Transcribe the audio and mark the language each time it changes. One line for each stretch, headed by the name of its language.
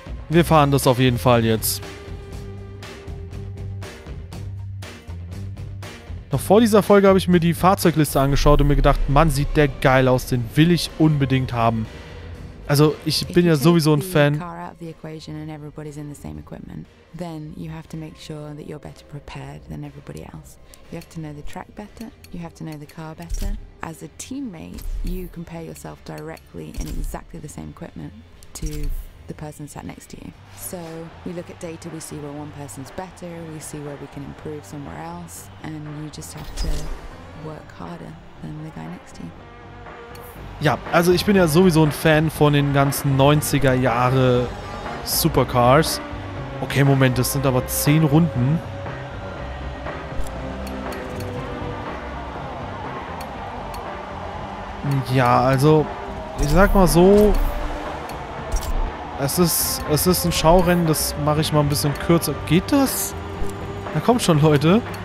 German: Wir fahren das auf jeden Fall jetzt. Noch vor dieser Folge habe ich mir die Fahrzeugliste angeschaut und mir gedacht, Mann, sieht der geil aus, den will ich unbedingt haben. Also, ich bin ja sowieso ein Fan.
English: The equation and everybody's in the same equipment, then you have to make sure that you're better prepared than everybody else. You have to know the track better, you have to know the car better. As a teammate, you compare yourself directly in exactly the same equipment to the person sat next to you. So we look at data, we see where one person's better, we see where we can improve somewhere else, and you just have to work harder than the guy next to you.
German: Ja, also ich bin ja sowieso ein Fan von den ganzen 90er Jahre Supercars. Okay, Moment, das sind aber 10 Runden. Ja, also ich sag mal so, es ist ein Schaurennen, das mache ich mal ein bisschen kürzer. Geht das? Na komm schon, Leute.